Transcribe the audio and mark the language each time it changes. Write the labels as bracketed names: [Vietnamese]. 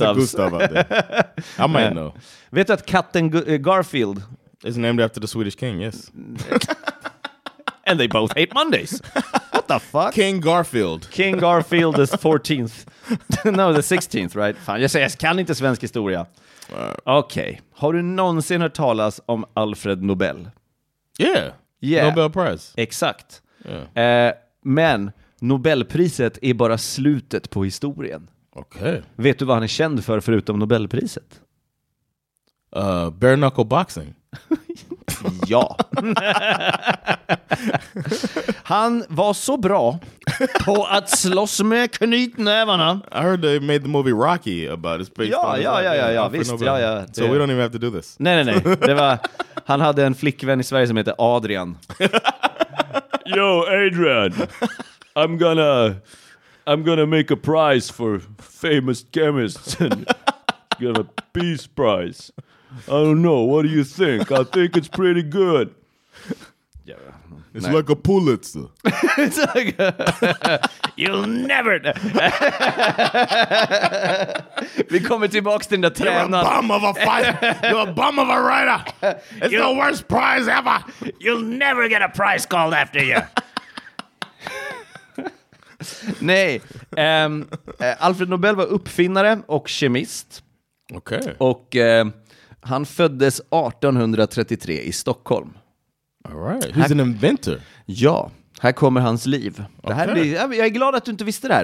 [English] That's a Gustav out there. I might know. [Swedish] Vet du att katten Garfield [English] is named after the Swedish king, yes. And they both hate Mondays. What the fuck? King Garfield is 14th. No, the 16th, right? [Swedish] Fan, jag kan inte svensk historia. Okej. Har du någonsin hört talas om Alfred Nobel? [English] Yeah. Nobel Prize. [Swedish] Exakt. Yeah. Men Nobelpriset är bara slutet på historien. Okej. [English] Okay. [Swedish] Vet du vad han är känd för förutom Nobelpriset? [English] Bare knuckle boxing. [Swedish] Ja. Han var så bra på att slåss med knytnävarna. [English] I heard they made the movie Rocky about it. [Swedish] Ja, visst. Ja, ja. [English] So we don't even have to do this. [Swedish] Nej. Det var, han hade en flickvän i Sverige som heter Adrian. [English] Yo, Adrian. I'm gonna make a prize for famous chemists. Get a peace prize. I don't know, what do you think? I think it's pretty good. Yeah. It's like a Pulitzer. It's like a... You'll never... [Swedish] Vi kommer tillbaka till den tränaren. [English] You're a bum of a fighter. You're a bum of a writer. It's the worst prize ever. You'll never get a prize called after you. [Swedish] Nej. Alfred Nobel var uppfinnare och kemist. Okej. Och... Han föddes 1833 i Stockholm. [English] All right. He's an inventor. [Swedish] Ja, här kommer hans liv. Okay. Det här blir, jag är glad att du inte visste det här.